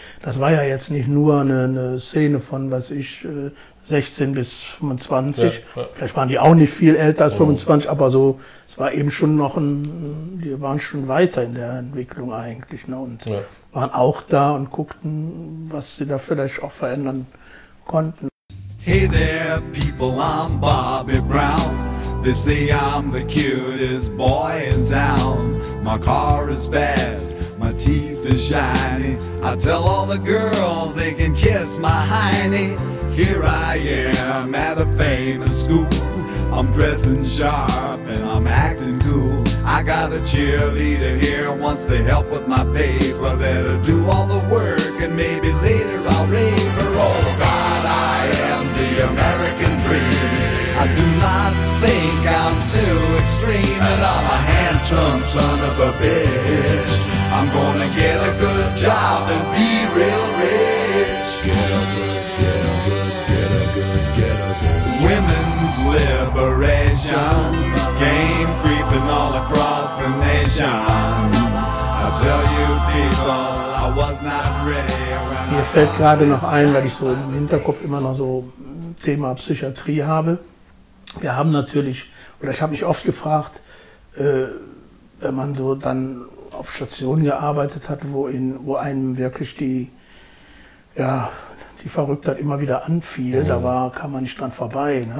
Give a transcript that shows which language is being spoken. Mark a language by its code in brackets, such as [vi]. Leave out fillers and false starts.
[de] Das war ja jetzt nicht nur eine Szene von, was ich, 16 bis 25. Ja. Vielleicht waren die auch nicht viel älter als 25, aber so, es war eben schon noch die waren schon weiter in der Entwicklung eigentlich, ne, und waren auch da und guckten, was sie da vielleicht auch verändern konnten. [en] Hey there, people, I'm Bobby Brown. They say I'm the cutest boy in town. My car is fast, my teeth are shiny. I tell all the girls they can kiss my hiney. Here I am at a famous school. I'm dressing sharp and I'm acting cool. I got a cheerleader here, wants to help with my paper. Let her do all the work and maybe later I'll rave her. Oh God, I am the American dream. I do not think I'm too extreme, and I'm a handsome son of a bitch. I'm gonna get a good job and be real rich. Get a good, get a good, get a good, get a good. Women's liberation came creeping all across the nation. I tell you people, I was not ready. [de] Mir fällt gerade noch ein, weil ich so im Hinterkopf immer noch so Thema Psychiatrie habe. Wir haben natürlich, oder ich habe mich oft gefragt, wenn man so dann auf Stationen gearbeitet hat, wo einem wirklich die Verrücktheit immer wieder anfiel, da kam man nicht dran vorbei, ne?